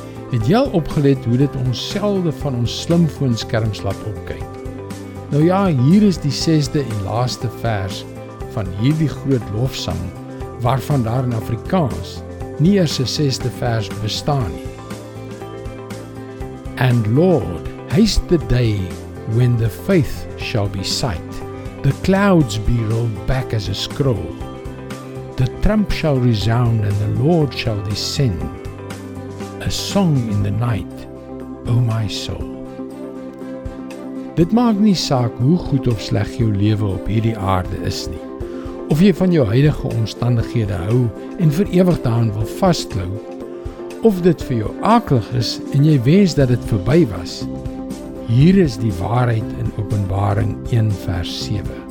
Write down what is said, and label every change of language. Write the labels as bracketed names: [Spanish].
[Afrikaans] Het jy al opgelet hoe dit ons selde van ons slimfoonskerms laat opkyk? Nou ja, hier is die 6de en laaste vers van hierdie groot lofsang, waarvan daar in Afrikaans nie eers 'n 6de vers bestaan nie. [English] And Lord, haste the day when the faith shall be sight, the clouds be rolled back as a scroll, the trump shall resound and the Lord shall descend, a song in the night, O my soul. [Afrikaans] Dit maak nie saak hoe goed of sleg jou lewe op hierdie aarde is nie. Of jy van jou huidige omstandighede hou en vir ewig daaraan wil vasklou, of dit vir jou akelig is en jy wens dat dit verby was, hier is die waarheid in Openbaring 1 vers 7.